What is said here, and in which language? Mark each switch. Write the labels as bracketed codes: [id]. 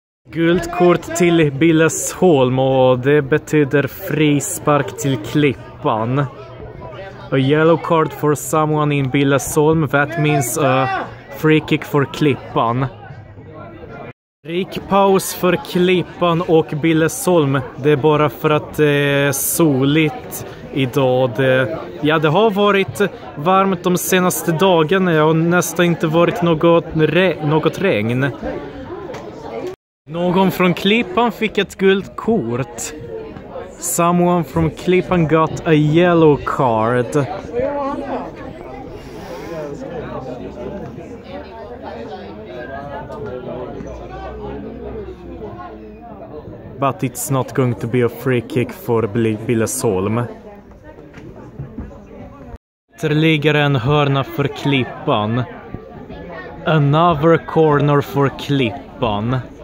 [sv] Gult kort till Billesholm och det betyder frispark till Klippan. [en] A yellow card for someone in Billesholm, that means a free kick for Klippan. [sv] Rik paus för Klippan och Billesholm, det är bara för att det är soligt idag. Ja, det har varit varmt de senaste dagarna och nästan inte varit något regn. Någon från Klippan fick ett gult kort. [en] Someone from Klippan got a yellow card. but it's not going to be a free kick for Billesholm. [sv] Ytterligare en hörna för Klippan. [en] Another corner for Klippan.